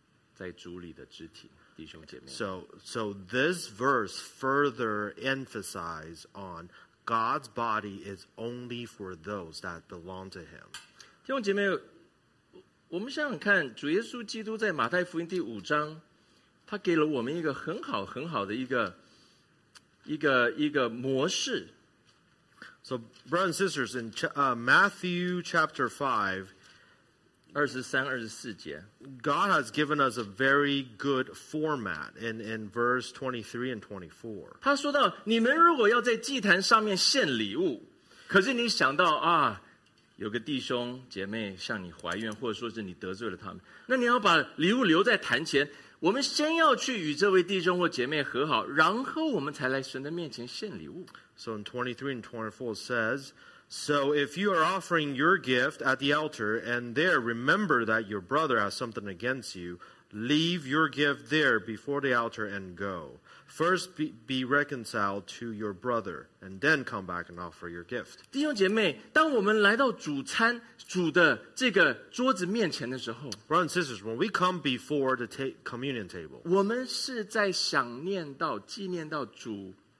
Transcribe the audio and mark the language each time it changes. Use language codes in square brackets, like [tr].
[zh] 这里讲到弟兄姐妹，主的身体更加是这个概括到在主里的肢体，弟兄姐妹。 [en] So this verse further emphasizes on God's body is only for those that belong to Him. [zh] 弟兄姐妹。我们想想看，主耶稣基督在马太福音第五章，他给了我们一个很好很好的一个模式。 [en] So, brothers and sisters, in Matthew chapter 5, [zh] 23, 24节, [en] God has given us a very good format in verse 23 and 24. [zh] 他说到，你们如果要在祭坛上面献礼物， 可是你想到啊， 有个弟兄姐妹向你怀怨， 或者说是你得罪了他们， 那你要把礼物留在坛前， 我们先要去与这位弟兄或姐妹和好， 然后我们才来神的面前献礼物。 [en] So in 23 and 24 says, so if you are offering your gift at the altar, and there remember that your brother has something against you, leave your gift there before the altar and go. First be reconciled to your brother, and then come back and offer your gift. [zh] 弟兄姐妹, 当我们来到主餐, 主的这个桌子面前的时候, [en] brothers and sisters, when we come before the communion table, [zh] 我们是在想念到纪念到主